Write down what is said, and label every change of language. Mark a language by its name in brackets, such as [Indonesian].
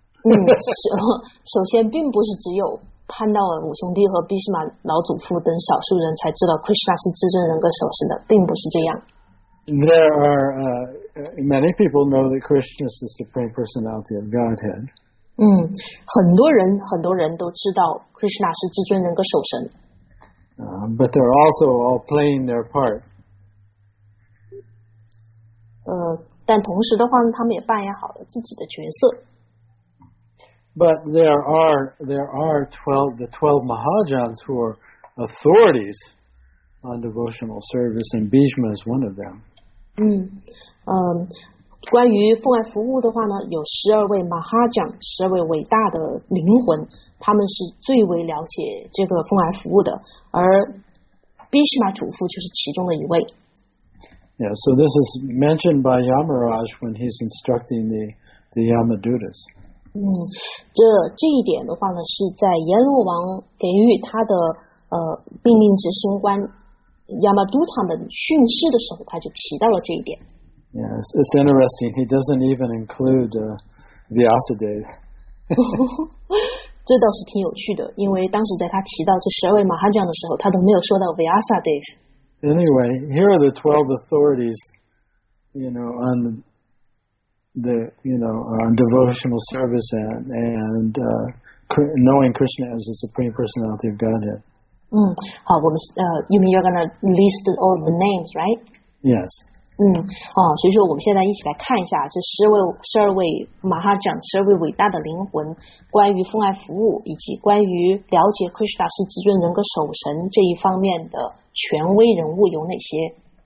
[Chinese] 嗯，首先并不是只有潘道尔五兄弟和毕士马老祖父等少数人才知道 Krishna 是至尊人格守神的，并不是这样。 [English] There are many people know that Krishna is the supreme personality of Godhead. [Chinese] 嗯，很多人都知道 Krishna 是至尊人格守神。 [English] But they're also all playing their part. [Chinese] 但同时的话呢，他们也扮演好了自己的角色。 [English] But there are the twelve Mahajans who are authorities on devotional service, and Bhishma is one of them. [Chinese] 关于奉爱服务的话呢，有十二位 Mahajan， 十二位伟大的灵魂，他们是最为了解这个奉爱服务的，而 Bhishma 主父就是其中的一位。 [English] Yeah, so this is mentioned by Yamaraj when he's instructing the Yamadutas. [Chinese] 这一点的话呢，是在阎罗王给予他的命令执行官 Yamaduta 们训示的时候，他就提到了这一点。 [English] Yes, it's interesting. He doesn't even include Vyasadeva. [Chinese] 这倒是挺有趣的，因为当时在他提到这十二位马哈将的时候，他都没有说到 Vyasadeva。 [English] Anyway, here are the 12 authorities, you know, on the, you know, on devotional service and knowing Krishna as the Supreme Personality of Godhead. [Chinese] 好，我们 [English] you mean you're going to list all the names, right? Yes. [Chinese] 所以说我们现在一起来看一下这十二位马哈将，十二位伟大的灵魂，关于奉爱服务以及关于了解 Krishna 是至尊人格守神这一方面的权威人物有哪些？